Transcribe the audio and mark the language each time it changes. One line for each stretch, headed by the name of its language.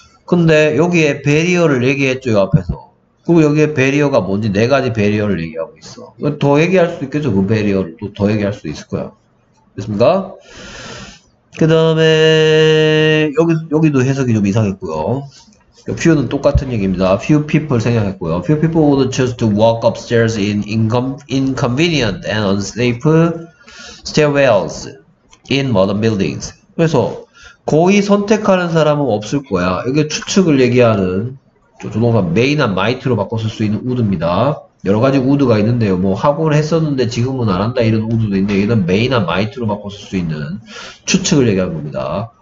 Korean: 근데 여기에 배리어를 얘기했죠, 앞에서. 그리고 여기에 배리어가 뭔지 네 가지 배리어를 얘기하고 있어. 더 얘기할 수 있겠죠, 그 배리어를 또더 얘기할 수 있을 거야. 됐습니까? 그 다음에, 여기도 해석이 좀 이상했고요. Few는 똑같은 얘기입니다. Few people 생각했고요.
English: Few people would choose to walk upstairs in inconvenient and unsafe stairwells in modern buildings.
Korean: 그래서, 고의 선택하는 사람은 없을 거야. 이게 추측을 얘기하는, 조동사 may나 might로 바꿔 쓸수 있는 우드입니다. 여러 가지 우드가 있는데요. 뭐, 하고는 했었는데 지금은 안 한다. 이런 우드도 있는데, 이건 may나 might로 바꿔 쓸수 있는 추측을 얘기하는 겁니다.